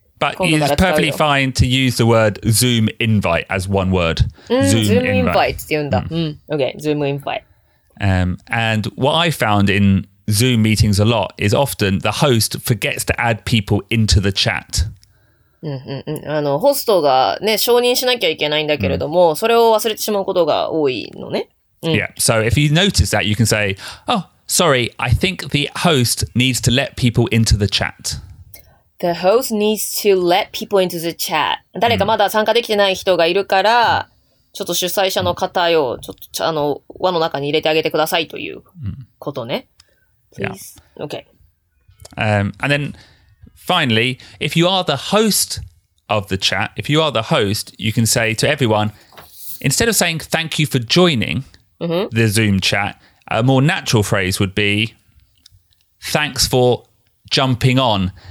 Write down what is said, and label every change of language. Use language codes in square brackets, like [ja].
[en] But it's perfectly fine to use the word Zoom invite as one word. Zoom invite. [ja] って言うんだ。 [en] Okay, Zoom invite. And what I found in Zoom meetings a lot is often the host forgets to add people into the chat. [ja] ホストがね、承認しなきゃいけないんだけれども、それを忘れてしまうことが多いのね。 [en] Yeah, so if you notice that, you can say, oh, sorry, I think the host needs to let people into the chat. The host needs to let people into the chat. [ja] 誰かまだ参加できてない人がいるから、ちょっと主催者の方よ、ちょっとあの輪の中に入れてあげてくださいということね。 [en] Please. Okay. And then finally, if you are the host of the chat, if you are the host, you can say to everyone, instead of saying thank you for joining the Zoom chat, a more natural phrase would be thanks for jumping on.